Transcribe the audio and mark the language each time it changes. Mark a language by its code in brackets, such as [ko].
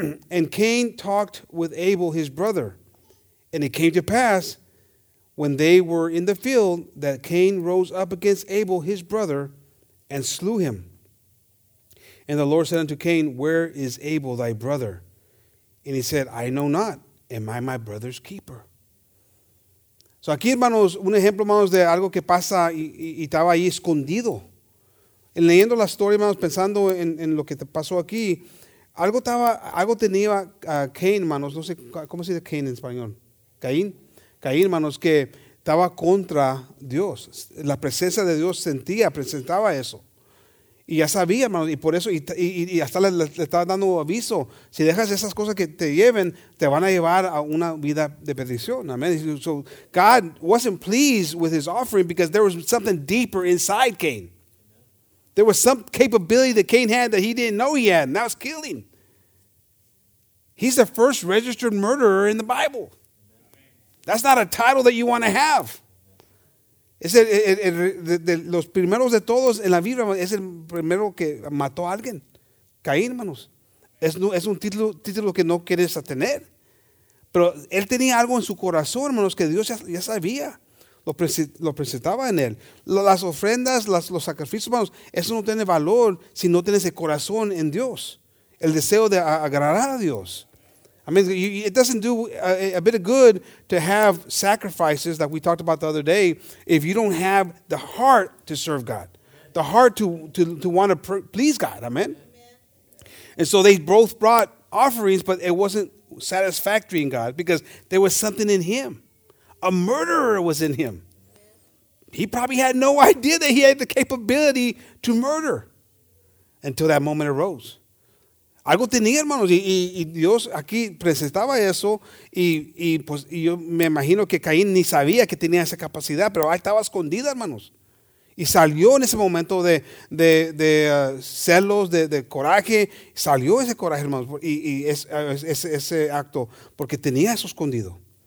[en] And Cain talked with Abel, his brother. And it came to pass, when they were in the field, that Cain rose up against Abel, his brother, and slew him. And the Lord said unto Cain, where is Abel, thy brother? And he said, I know not. Am I my brother's keeper? [es] So aquí, hermanos, un ejemplo, hermanos, de algo que pasa y estaba ahí escondido. En leyendo la historia, hermanos, pensando en lo que te pasó aquí, algo tenía Cain, hermanos, no sé, ¿cómo se dice Cain en español? Caín. Caín, hermanos, que estaba contra Dios. La presencia de Dios sentía, presentaba eso. Y ya sabía, hermanos, y por eso, y hasta le estaba dando aviso. Si dejas esas cosas que te lleven, te van a llevar a una vida de perdición. Amen. [en] So God wasn't pleased with his offering because there was something deeper inside Cain. There was some capability that Cain had that he didn't know he had, and that was killing. He's the first registered murderer in the Bible. That's not a title that you want to have. [es] Es de los primeros de todos en la Biblia, es el primero que mató a alguien. Caín, hermanos. Es un título que no quieres tener. Pero él tenía algo en su corazón, hermanos, que Dios ya sabía. Lo presentaba en él. Las ofrendas, los sacrificios, hermanos, eso no tiene valor si no tienes el corazón en Dios. El deseo de agradar a Dios. [en] I mean, it doesn't do a bit of good to have sacrifices like we talked about the other day if you don't have the heart to serve God, the heart to want to please God. Amen. And so they both brought offerings, but it wasn't satisfactory in God because there was something in him. A murderer was in him. He probably had no idea that he had the capability to murder until that moment arose. [es] Algo tenía, hermanos, y Dios aquí presentaba eso, y pues yo me imagino que Caín ni sabía que tenía esa capacidad, pero ahí estaba escondida, hermanos. Y salió en ese momento de celos, de coraje, salió ese coraje, hermanos, y ese acto, porque tenía eso escondido.